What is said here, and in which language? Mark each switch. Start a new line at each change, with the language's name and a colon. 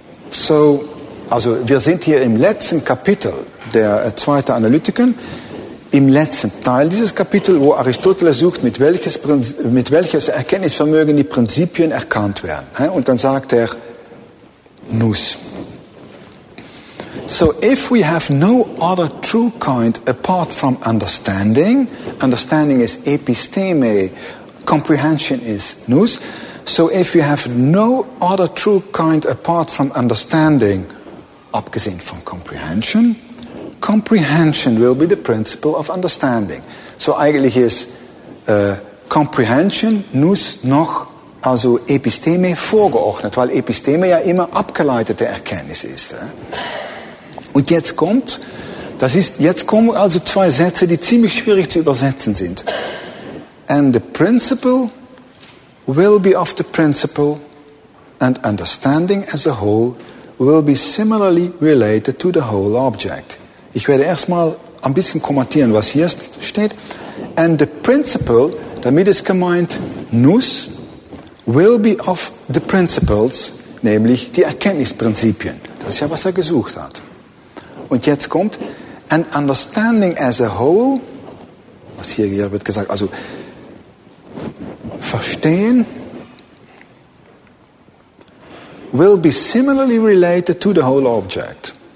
German: So, also wir sind hier im letzten Kapitel der zweiten Analytiken, im letzten Teil dieses Kapitels, wo Aristoteles sucht, mit welches Erkenntnisvermögen die Prinzipien erkannt werden. Und dann sagt er, Nous.
English: So, if we have no other true kind apart from understanding, understanding is episteme, comprehension is nous. So, if we have no other true kind apart from understanding,
German: abgesehen von
English: comprehension, comprehension will be the principle of understanding.
German: So, eigentlich ist comprehension nous noch, also episteme vorgeordnet, weil episteme ja immer abgeleitete Erkenntnis ist. Und jetzt kommt, jetzt kommen also zwei Sätze, die ziemlich schwierig zu übersetzen sind.
English: And the principle will be of the principle, and understanding as a whole will be similarly related to the whole object.
German: Ich werde erstmal ein bisschen kommentieren, was hier steht.
English: And the principle,
German: damit ist gemeint,
English: nous, will be of the principles,
German: nämlich die Erkenntnisprinzipien. Das ist ja, was er gesucht hat. Und jetzt kommt,
English: and understanding as a whole,
German: was hier wird gesagt, also verstehen,
English: will be similarly related to the whole object.